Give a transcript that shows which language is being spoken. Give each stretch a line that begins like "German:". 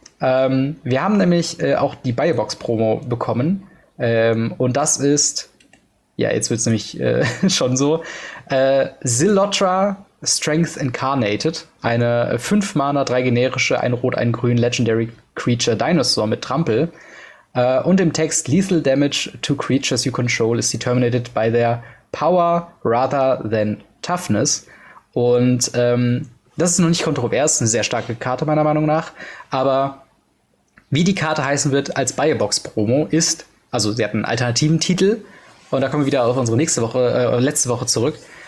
German: Wir haben nämlich auch die Biobox-Promo bekommen. Und das ist, ja, jetzt wird es nämlich schon so, Zilotra Strength Incarnated, eine 5-Mana, 3 generische, 1 rot, 1 grün, Legendary Creature Dinosaur mit Trampel. Und im Text,
English: Lethal Damage to Creatures You Control is Determined by their Power rather than Toughness.
German: Und das ist noch nicht kontrovers, eine sehr starke Karte meiner Meinung nach. Aber wie die Karte heißen wird als Biobox-Promo ist, also sie hat einen alternativen Titel, und da kommen wir wieder auf unsere nächste Woche, letzte Woche zurück.